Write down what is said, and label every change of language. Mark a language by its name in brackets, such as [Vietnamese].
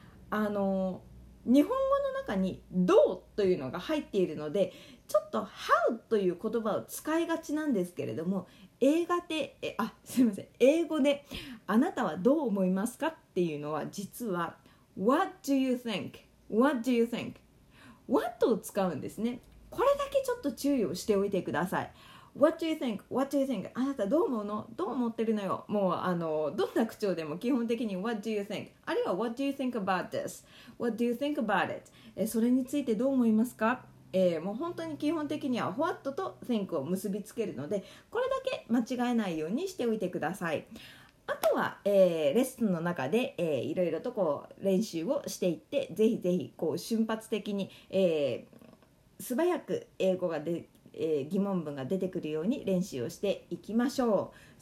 [Japanese] 日本語の中にどうというのが入っているので、ちょっと How という言葉を使いがちなんですけれども、英語であなたはどう思いますかっていうのは実は [English] What do you think? What do you think? [Japanese] What を使うんですね。これだけちょっと注意をしておいてください。 [English] What do you think? What do you think? [Japanese] あなたどう思うの？どう思ってるのよ？もうどんな口調でも基本的に [English] What do you think? あるいは What do you think about this? What do you think about it? [Japanese] それについてどう思いますか？もう本当に基本的には What と Think を結びつけるので、これだけ間違えないようにしておいてください。あとは、レッスンの中で、いろいろとこう練習をしていって、ぜひぜひこう瞬発的に、素早く英語が出て疑問文が出てくるように練習をしていきましょう。